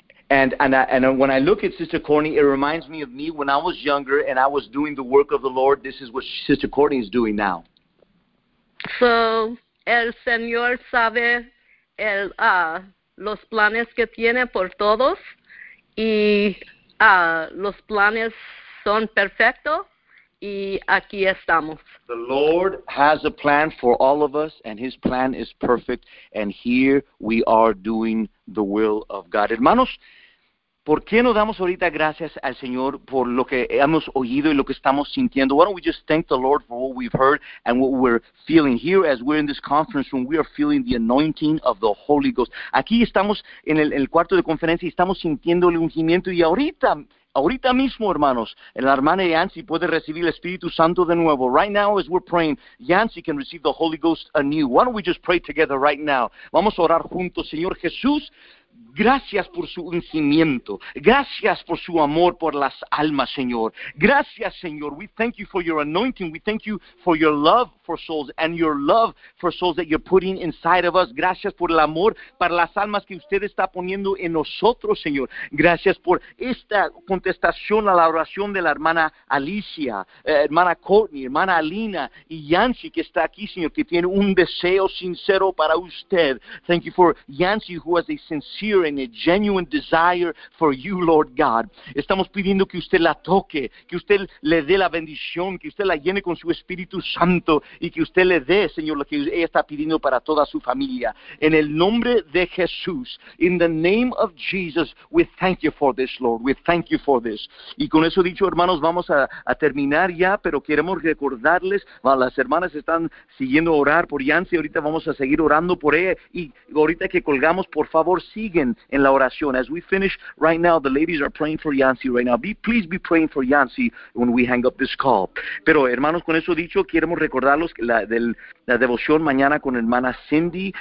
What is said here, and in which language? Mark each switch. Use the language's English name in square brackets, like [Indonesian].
[English] And when I look at Sister Courtney, it reminds me of me when I was younger and I was doing the work of the Lord. This is what Sister Courtney is doing now. [Spanish] So, el Señor sabe el los planes que tiene por todos y los planes son perfectos y aquí estamos. [English] The Lord has a plan for all of us and His plan is perfect and here we are doing the will of God. [Spanish] Hermanos, ¿por qué no damos ahorita gracias al Señor por lo que hemos oído y lo que estamos sintiendo? [English] Why don't we just thank the Lord for what we've heard and what we're feeling here as we're in this conference room? We are feeling the anointing of the Holy Ghost. [Spanish] Aquí estamos en el cuarto de conferencia y estamos sintiendo el ungimiento y ahorita mismo, hermanos, la hermana Yancy puede recibir el Espíritu Santo de nuevo. [English] Right now, as we're praying, Yancy can receive the Holy Ghost anew. Why don't we just pray together right now? [Spanish] Vamos a orar juntos. Señor Jesús, gracias por su ungimiento. Gracias por su amor por las almas, Señor. Gracias, Señor. [English] We thank you for your anointing. We thank you for your love for souls and your love for souls that you're putting inside of us. [Spanish] Gracias por el amor para las almas que usted está poniendo en nosotros, Señor. Gracias por esta contestación a la oración de la hermana Alicia, hermana Courtney, hermana Alina y Yancy que está aquí, Señor, que tiene un deseo sincero para usted. [English] Thank you for Yancy who has a sincere and a genuine desire for you, Lord God. [Spanish] Estamos pidiendo que usted la toque, que usted le dé la bendición, que usted la llene con su Espíritu Santo y que usted le dé, Señor, lo que ella está pidiendo para toda su familia. En el nombre de Jesús, [English] in the name of Jesus, we thank you for this, Lord. We thank you for this. [Spanish] Y con eso dicho, hermanos, vamos a terminar ya, pero queremos recordarles, bueno, las hermanas están siguiendo a orar por Yancy, ahorita vamos a seguir orando por ella, y ahorita que colgamos, por favor, siguen en la oración. [English] As we finish right now, the ladies are praying for Yancy right now. Please be praying for Yancy when we hang up this call. [Spanish] Pero, hermanos, con eso dicho, queremos recordarlos la devoción mañana con hermana Cindy.